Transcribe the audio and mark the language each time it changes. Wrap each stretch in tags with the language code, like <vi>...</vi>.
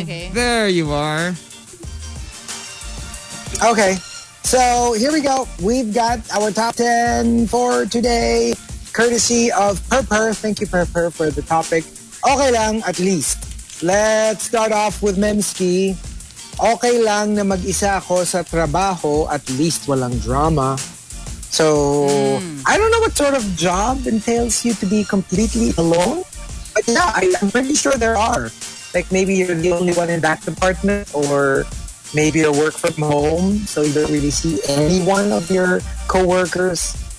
<en>Okay. There you are. Okay. So, here we go. We've got our top 10 for today, courtesy of Perper. Thank you, Perper, for the topic.</en> <tl>Okay lang,</tl> <en>at least. Let's start off with Memski.</en> <tl>Okay lang na mag-isa ako sa trabaho, at least walang drama.</tl> <en>So, I don't know what sort of job entails you to be completely alone. But yeah, I'm pretty sure there are. Like, maybe you're the only one in that department, or maybe you work from home, so you don't really see any one of your coworkers.</en>